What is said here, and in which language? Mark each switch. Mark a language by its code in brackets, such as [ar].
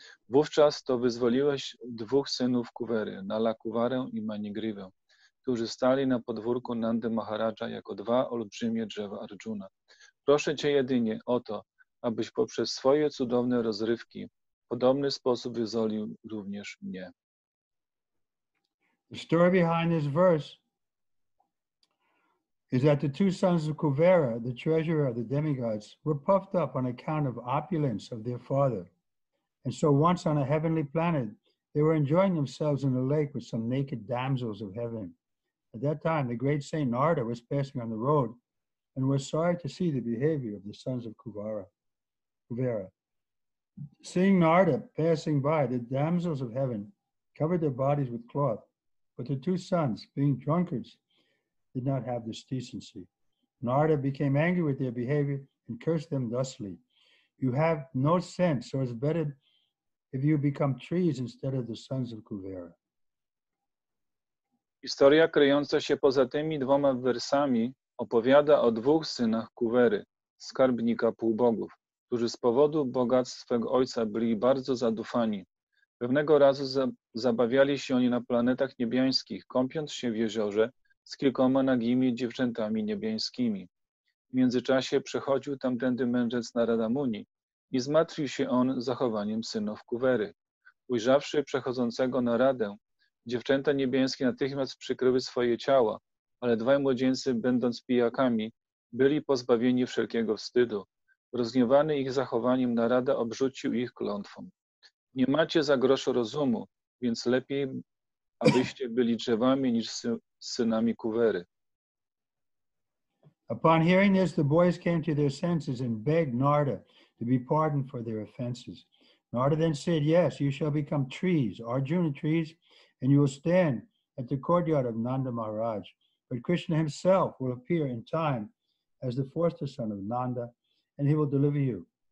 [pl] Wówczas to wyzwoliłeś dwóch synów Kuwery, Nalakuwarę i Manigriwę, którzy stali na podwórku Nandy Maharaja jako dwa olbrzymie drzewa Arjuna. Proszę Cię jedynie o to, abyś poprzez swoje cudowne rozrywki w podobny sposób wyzwolił również mnie. [en] The story behind this verse is that the two sons of Kuvera, the treasurer of the demigods, were puffed up on account of opulence of their father. And so once on a heavenly planet, they were enjoying themselves in a lake with some naked damsels of heaven. At that time, the great Saint Narada was passing on the road and was sorry to see the behavior of the sons of Kuvera. Seeing Narada passing by, the damsels of heaven covered their bodies with cloth, but the two sons, being drunkards, did not have this decency. Narada became angry with their behavior and cursed them thusly. You have no sense, so it's better if you become trees instead of the sons of Kuvera. [pl] Historia kryjąca się poza tymi dwoma wersami opowiada o dwóch synach Kuwery, skarbnika półbogów, którzy z powodu bogactwa swego ojca byli bardzo zadufani. Pewnego razu zabawiali się oni na planetach niebiańskich, kąpiąc się w jeziorze z kilkoma nagimi dziewczętami niebiańskimi. W międzyczasie przechodził tamtędy mędrzec Narada Muni i zmartwił się on zachowaniem synów Kuwery. Ujrzawszy przechodzącego Naradę, dziewczęta niebiańskie natychmiast przykryły swoje ciała, ale dwaj młodzieńcy, będąc pijakami, byli pozbawieni wszelkiego wstydu. Rozgniewany ich zachowaniem, Narada obrzucił ich klątwą. Nie macie za grosz rozumu, więc lepiej, abyście byli drzewami niż synami Kuwery. [en] Upon hearing this, the boys came to their senses and begged Narda to be pardoned for their offenses. Narda then said, yes, you shall become trees, Arjuna trees, and you will stand at the courtyard of Nanda Maharaj. But Krishna himself will appear in time as the foster son of Nanda, and he will deliver you.